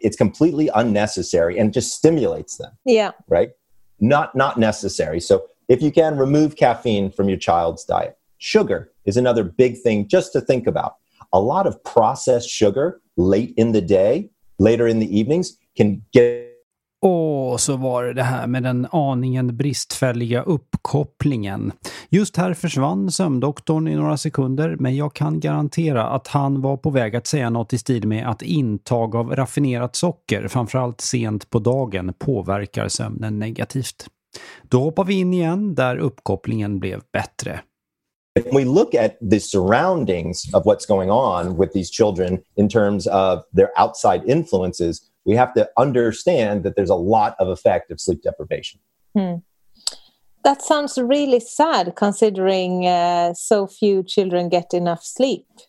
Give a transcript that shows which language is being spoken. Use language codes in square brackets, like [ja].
[en] It's completely unnecessary and just stimulates them. Right? Not necessary. So if you can, remove caffeine from your child's diet. Sugar is another big thing just to think about. A lot of processed sugar late in the day, later in the evenings, can get... [sv] Och så var det här med den aningen bristfälliga uppkopplingen. Just här försvann sömndoktorn i några sekunder, men jag kan garantera att han var på väg att säga något i stil med att intag av raffinerat socker, framförallt sent på dagen, påverkar sömnen negativt. Då hoppar vi in igen där uppkopplingen blev bättre. [en] If we look at the surroundings of what's going on with these children in terms of their outside influences, we have to understand that there's a lot of effect of sleep deprivation. That sounds really sad considering so few children get enough sleep.